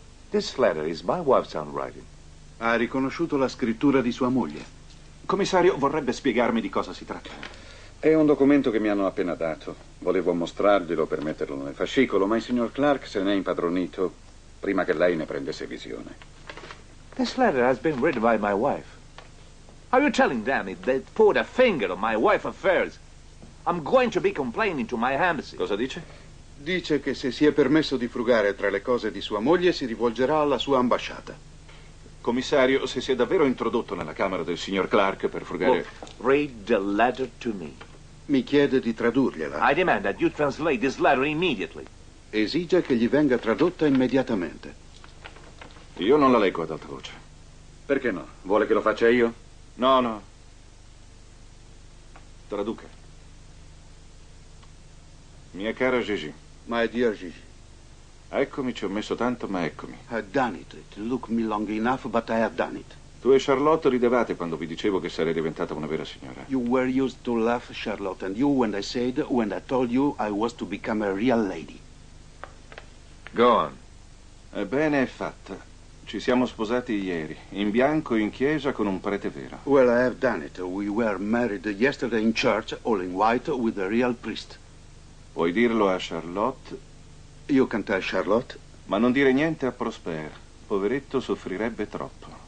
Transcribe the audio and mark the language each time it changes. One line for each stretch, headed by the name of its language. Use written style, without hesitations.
English: This letter is my wife's handwriting.
Italian: Ha riconosciuto la scrittura di sua moglie. Commissario, vorrebbe spiegarmi di cosa si tratta? È un documento che mi hanno appena dato. Volevo mostrarglielo per metterlo nel fascicolo, ma il signor Clark se ne è impadronito prima che lei ne prendesse visione.
English: This letter has been written by my wife. Are you telling Danny that put a finger on my wife's affairs? I'm going to be complaining to my embassy.
Italian: Cosa dice? Dice che se si è permesso di frugare tra le cose di sua moglie si rivolgerà alla sua ambasciata. Commissario, se si è davvero introdotto nella camera del signor Clark per frugare...
English: Well, read the letter to me.
Italian: Mi chiede di tradurgliela.
English: I demand that you translate this letter immediately.
Italian: Esige che gli venga tradotta immediatamente. Io non la leggo ad alta voce. Perché no? Vuole che lo faccia io? No, no. Traduca. Mia cara Gigi.
English: My dear Gigi.
Italian: Eccomi, ci ho messo tanto, ma eccomi.
English: I've done it. It took me long enough, but I have done it.
Italian: Tu e Charlotte ridevate quando vi dicevo che sarei diventata una vera signora.
English: You were used to laugh, Charlotte, and you when I said, when I told you I was to become a real lady. Go on.
Italian: Ebbene, è fatta. Ci siamo sposati ieri, in bianco, in chiesa, con un prete vero.
English: Well, I have done it. We were married yesterday in church, all in white, with a real priest.
Italian: Puoi dirlo a Charlotte? Io canto a Charlotte. Ma non dire niente a Prosper. Poveretto, soffrirebbe troppo.